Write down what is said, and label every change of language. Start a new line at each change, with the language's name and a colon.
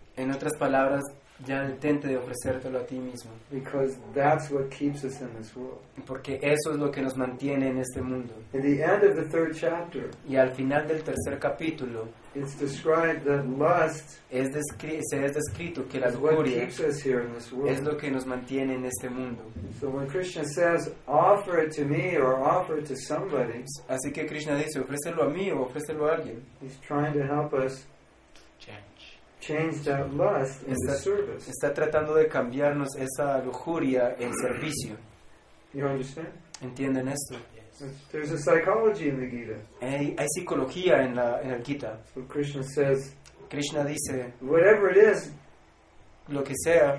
Spanish: En otras palabras, ya intente de ofrecértelo a ti mismo.
English: Because that's what keeps us in this world.
Spanish: Porque eso es lo que nos mantiene en este mundo.
English: In the end of the third chapter,
Spanish: y al final del tercer capítulo,
English: it's described that lust
Spanish: se es descrito que la lujuria es lo que nos mantiene en este mundo.
English: So when Krishna says, offer it to me or offer it to somebody,
Spanish: así que Krishna dice, ofrécelo a mí o ofrécelo a alguien.
English: He's trying to help us change that lust in the service.
Spanish: Está tratando de cambiarnos esa lujuria en servicio.
English: You understand?
Spanish: ¿Entienden esto?
English: Yes. There's a psychology in the Gita.
Spanish: Hay psicología en el Gita.
English: So Krishna says,
Spanish: Krishna dice,
English: whatever it is,
Spanish: lo que sea,